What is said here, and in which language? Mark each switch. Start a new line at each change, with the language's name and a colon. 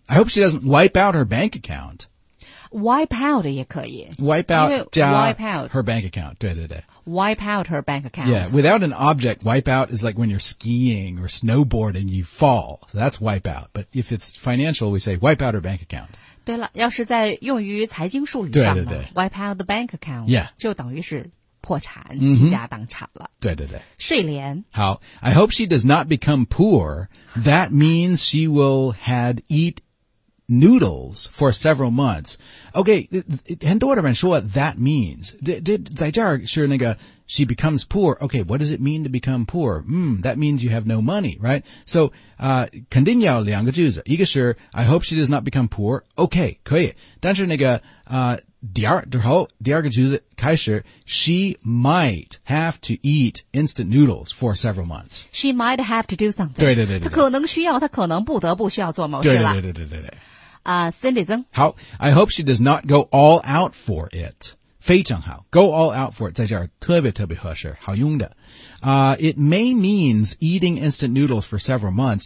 English: I hope she doesn't wipe out her bank account.
Chinese: Wipe out 也可以 wipe out 加
English: wipe out her bank account.
Chinese: 对对对
English: wipe out her bank account. Yeah, without an object, wipe out is like when you're skiing or snowboarding, you fall. So that's wipe out. But if it's financial, we say wipe out her bank account.
Chinese: 对了，要是在用于财经术语上对对对
English: wipe out the bank account. Yeah,
Chinese: 就等于是。破产倾家荡产了、 mm-hmm. 对对对睡莲
English: 好 I hope she does not become poor That means she will had eat noodles for several months OK
Chinese: 很多人说
English: that means
Chinese: 在这儿是那个
English: She becomes poor OK what does it mean to become poor、mm, That means you have no money right So
Chinese: 肯定要两个句子一个是
English: I hope she does not become poor OK
Chinese: 可以但是那个第二个句子开始
English: ,she might have to eat instant noodles for several months. She might have to do something.
Chinese: 对对 对, 对, 对。她可能需要她可能不得不需要做某些了。对对对对对对。 Cindy 曾。
English: 好 ,I hope she does not go all out for it.
Chinese: 非常好 ,
English: go all out for it,
Chinese: 在这儿特别特别合适好用的。
English: It may means eating instant noodles for several months.